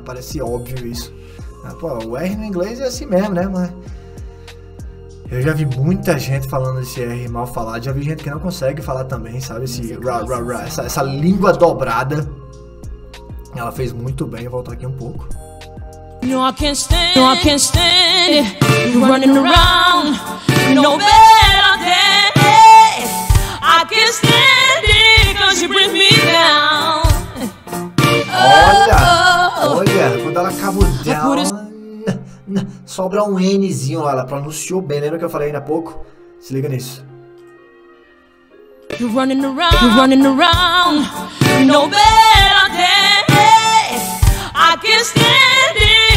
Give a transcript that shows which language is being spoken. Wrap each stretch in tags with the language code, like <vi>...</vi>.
<pt>Parece óbvio isso. Pô, o R no inglês é assim mesmo, né? Mas eu já vi muita gente falando esse R mal falado. Já vi gente que não consegue falar também, sabe? Esse essa língua dobrada. Ela fez muito bem. Vou voltar aqui um pouco.</pt> <en>No, I can't stand, no, I can't stand it. You're running around, no better than it. I can't stand it, cause you bring me down.</en> <pt>Olha, olha, quando ela acabou down, sobra um Nzinho lá, ela pronunciou bem, lembra que eu falei ainda há pouco? Se liga nisso.</pt> <en>You're running around, no better than it. I can't stand it.</en>